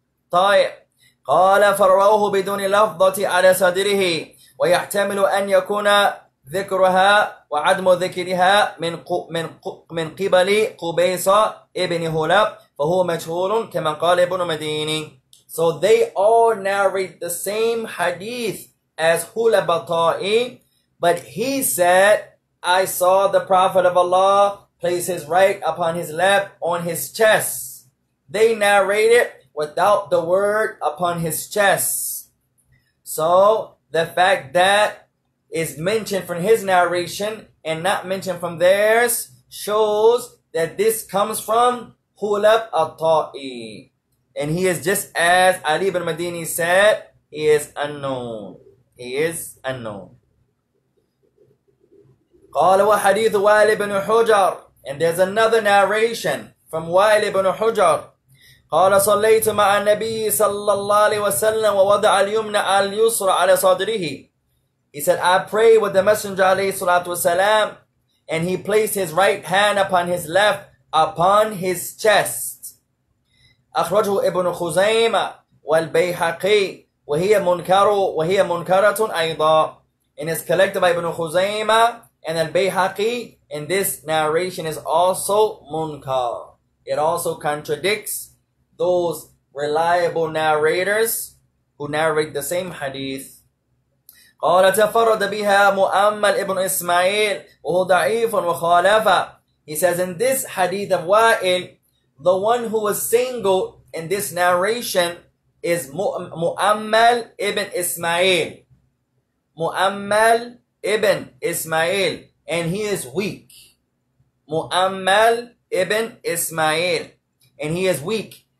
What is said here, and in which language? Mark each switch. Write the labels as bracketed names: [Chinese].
[Arabic] طيب قال فرواه بدون لفظة على صدره ويحتمل أن يكون ذكرها وعدم ذكرها من قبل قبيصة ابن هلاب فهو مجهول كما قال ابن مديني. [English] So they all narrate the same hadith as Hulab al-Ta'i, but he said, I saw the Prophet of Allah place his right upon his left on his chest. They narrate it without the word upon his chest. So the fact that is mentioned from his narration and not mentioned from theirs shows that this comes from Hulab al-Ta'i. And he is just as Ali ibn Madini said, he is unknown. He is unknown. [Arabic] قال وحديث وائل بن حجر. [English] And there's another narration from وائل بن حجر. [Arabic] قال صليت مع النبي صلى الله عليه وسلم ووضع اليمنى اليسرى على صدره. [English] He said, I pray with the Messenger alayhi salatu wasalam, and he placed his right hand upon his left, upon his chest. [Arabic] أخرجه ابن خزيمة والبيحقي وهي منكر وهي منكرة أيضا. [English] And it's collected by ابن خزيمة and البيحقي, and this narration is also منكر. It also contradicts those reliable narrators who narrate the same hadith. [Arabic] قال تفرد بها مؤمل ابن اسماعيل وهو ضعيف وخالف. [English] He says in this hadith of Wa'il, the one who was single in this narration is مؤمل ابن اسماعيل. مؤمل ابن اسماعيل. And he is weak. مؤمل ابن اسماعيل. And he is weak.